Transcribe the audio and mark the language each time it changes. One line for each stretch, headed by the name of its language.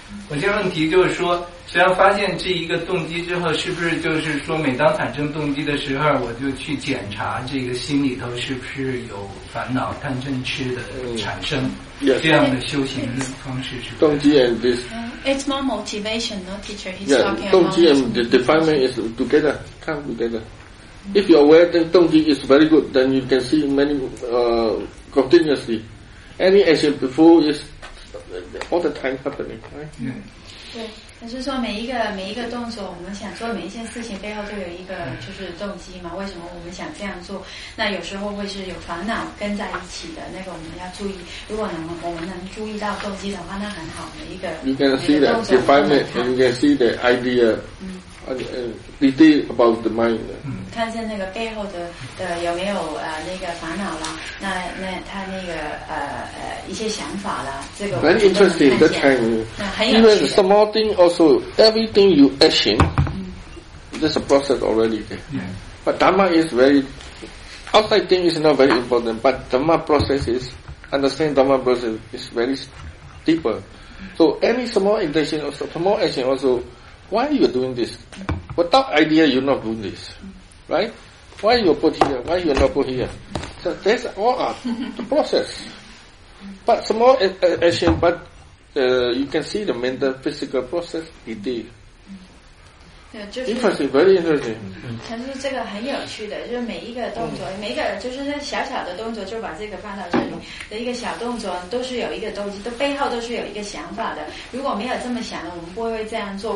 Chinese: 我这个问题就是说，实际上发现这一个动机之后，是不是就是说每当产生动机的时候，我就去检查这个心里头是不是有烦恼贪嗔痴的产生，这样的修行方式是
English: 动机 and this it's more motivation no teacher he's yeah, talking about 动机 and the defilement is together come together if you're aware then 动机 is very good then you can see many continuously any action before isall the time happening、right? yeah.
Chinese: 对，就是说每一个动作，我们想做每一件事情背后都有一个就是动机嘛，为什么我们想这样做，那有时候会是有烦恼跟在一起的，那个我们要注意，如果我们能注意到动机的话，那很好，每一个
English: you can see that defilement and you can see the idea、idea about the mind、
Chinese: 看见那个背后 的有没有那个烦恼了，那他那个一些想法了，这个我们就能看见。
English: Very interesting, that time. Even small thing also, everything you action, there's a process already there. Yeah. But Dharma is very, outside thing is not very important, but Dharma process is, understand Dharma process is very deeper. So any small intention also, small action also, why you doing this? Without idea, you're not doing this. Right? Why you put here? Why you not put here? So that's all art, the process. But small action, but you can see the mental, physical process, it did. Yeah, interesting, very interesting.
Chinese: 但是这个很有趣的，就是每一个动作，每一个就是那小小的动作，就把这个放到这里的一个小动作，都是有一个动机，都背后都是有一个想法的。如果没有这么想的，我们不会这样做。